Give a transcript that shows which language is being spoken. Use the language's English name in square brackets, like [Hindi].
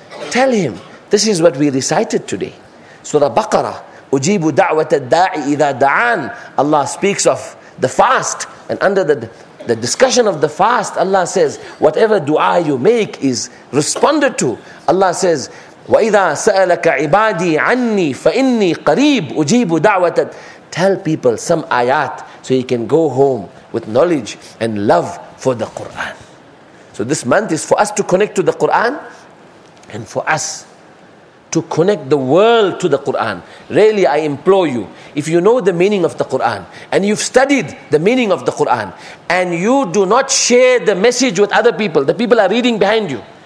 [English] Tell him, this is what we recited today. Surah Baqarah, [Arabic] Ujibu da'wat al-da'i idha da'an. [English] Allah speaks of the fast. And under the discussion of the fast, Allah says, whatever dua you make is responded to. Allah says, [Arabic] وَإِذَا سَأَلَكَ عِبَادِي عَنِّي فَإِنِّي قَرِيبٌ أُجِيبُ دَعْوَةَ. [English] Tell people some ayat so you can go home with knowledge and love for the Quran. So this month is for us to connect to the Quran and for us to connect the world to the Quran. Really, I implore you, if you know the meaning of the Quran and you've studied the meaning of the Quran and you do not share the message with other people, the people are reading behind you.